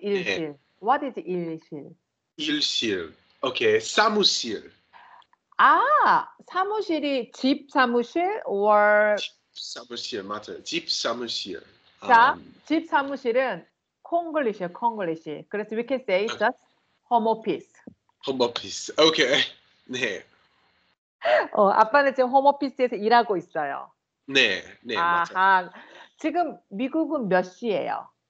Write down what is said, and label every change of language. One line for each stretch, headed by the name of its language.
English: 일실? What is 일실?
Korean: 일실. 오케이. 사무실. 아, 사무실이 집 사무실 or 사무실 맞아요. 집 사무실. 자, 집 사무실은 콩글리시예요, 콩글리시.
English: 그래서 we can say just home office.
Korean: 홈오피스. 오케이. 네. 아빠는 지금 홈 오피스에서 일하고 있어요. 네, 맞아요. 아하, 지금 미국은 몇 시예요?